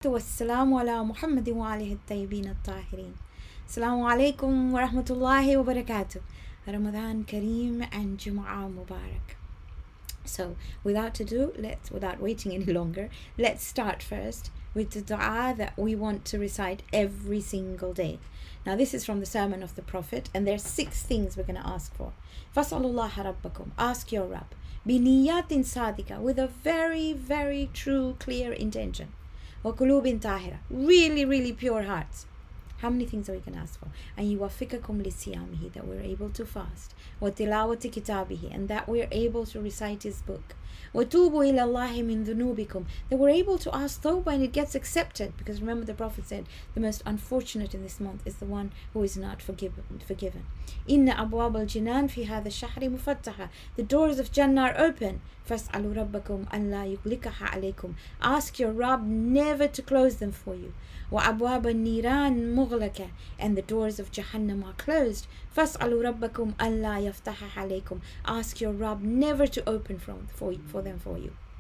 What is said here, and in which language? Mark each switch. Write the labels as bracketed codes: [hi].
[ar] والسلام على محمد وآله الطيبين الطاهرين. السلام عليكم ورحمة الله وبركاته. رمضان كريم and جمعة مبارك. [en] So without to do, let's without waiting any longer, let's start first with the dua that we want to recite every single day. Now this is from the Sermon of the Prophet, and there are six things we're going to ask for. [ar] فَسَأَلُوا اللَّهَ رَبَّكُمْ, [en] ask your Rabb, [ar] بِنِيَّةٍ صَادِقَةٍ, [en] with a very, very true, clear intention. [ar] وَقُلُوبٍ طَاهِرَةٍ, [en] really, really pure hearts. How many things are we going to ask for? [ar] أَنْ يُوَفِّقَكُمْ لِسِيَامِهِ, [en] that we're able to fast. [ar] وَتِلَاوَةِ كِتَابِهِ, [en] and that we're able to recite his book. [ar] وَتُوبُوا إِلَى اللَّهِ مِنْ ذُنُوبِكُمْ, [en] that we're able to ask tawbah and it gets accepted. Because remember, the Prophet said, the most unfortunate in this month is the one who is not forgiven. [ar] إِنَّ أَبْوَابَ الْجِنَانِ فِي هَذَا الشَّهْرِ مُفَتَّحَةً, [en] the doors of Jannah are open. [ar] فَاسْأَلُوا رَبَّكُمْ أَنْ لَا يُغْلِقَهَا عَلَيْكُمْ, [en] ask your Rabb never to close them for you. [ar] وَأَبْوَابَ النِّيرَانِ مُغْلَقَةً, [en] and the doors of Jahannam are closed. [ar] فَاسْأَلُوا رَبَّكُمْ أَنْ لَا يَفْتَحَهَا عَلَيْكُمْ, [en] ask your Rabb never to open for them for you.